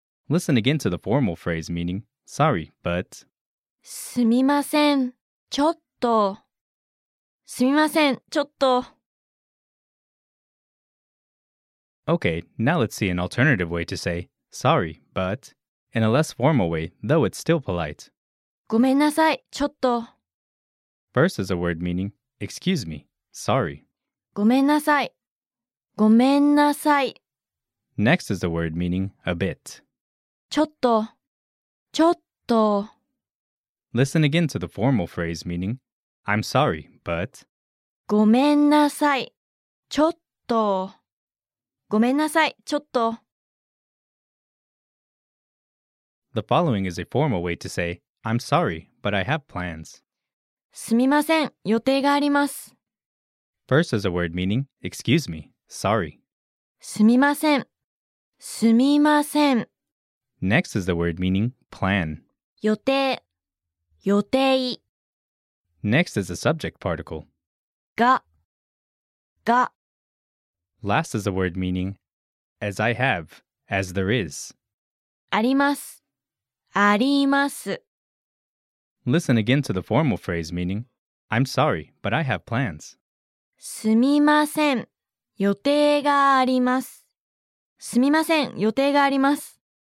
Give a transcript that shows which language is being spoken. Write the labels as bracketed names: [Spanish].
[English] Listen again to the formal phrase meaning, sorry, but... [Japanese] すみません.ちょっと.すみません.ちょっと. [English] Okay, now let's see an alternative way to say, sorry, but, in a less formal way, though it's still polite. [Japanese] ごめんなさい、ちょっと. [English] First is a word meaning, excuse me, sorry. [Japanese] ごめんなさい。ごめんなさい。 [English] Next is a word meaning, a bit. [Japanese] ちょっと。ちょっと。 [English] Listen again to the formal phrase meaning, I'm sorry, but... [Japanese] ごめんなさい。ちょっと。ごめんなさい、ちょっと. [English] The following is a formal way to say, I'm sorry, but I have plans. [Japanese] すみません、予定があります. [English] First is a word meaning, excuse me, sorry. [Japanese] すみません。すみません。 [English] Next is the word meaning, plan. [Japanese] 予定。予定。 [English] Next is the subject particle. [Japanese] が。が。 [English] Last is a word meaning, as I have, as there is. [Japanese] あります。あります。 [English] Listen again to the formal phrase meaning, I'm sorry, but I have plans. [Japanese] すみません。予定があります。すみません。予定があります。